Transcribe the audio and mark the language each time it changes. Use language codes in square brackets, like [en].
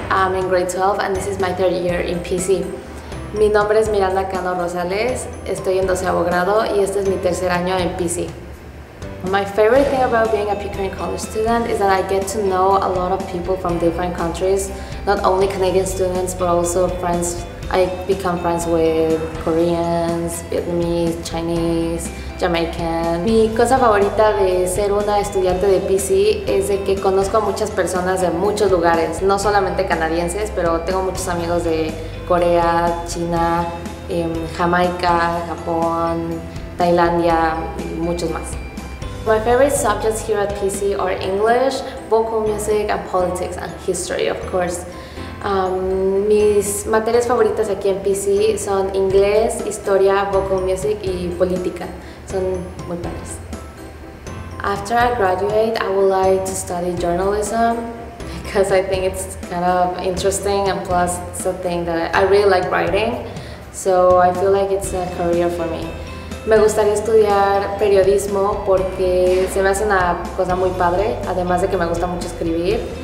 [en] I'm in grade 12 and this is my third year in PC. [es] Mi nombre es Miranda Cano Rosales, estoy en 12º grado y este es mi tercer año en PC. [en] My favorite thing about being a Pickering College student is that I get to know a lot of people from different countries, not only Canadian students, but also friends. I become friends with Koreans, Vietnamese, Chinese, Jamaican. [es] Mi cosa favorita de ser una estudiante de PC es de que conozco a muchas personas de muchos lugares, no solamente canadienses, pero tengo muchos amigos de Corea, China, Jamaica, Japón, Tailandia y muchos más. [en] My favorite subjects here at PC are English, vocal music, and politics and history, of course. [es] Mis materias favoritas aquí en PC son inglés, historia, vocal music y política. Son muy padres. [en] After I graduate, I would like to study journalism because I think it's kind of interesting and plus something that I really like writing. So I feel like it's a career for me. [es] Me gustaría estudiar periodismo porque se me hace una cosa muy padre, además de que me gusta mucho escribir.